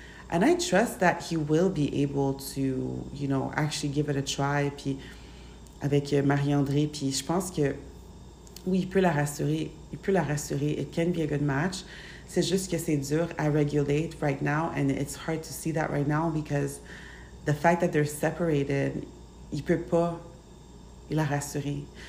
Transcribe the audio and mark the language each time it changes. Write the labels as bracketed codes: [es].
[en] And I trust that he will be able to, you know, actually give it a try. [fr] Puis avec Marie-André, puis je pense que, oui, il peut la rassurer. Il peut la rassurer. [en] It can be a good match. [fr] C'est juste que c'est dur à [en] regulate right now. And it's hard to see that right now because the fact that they're separated, [fr] il peut pas la rassurer.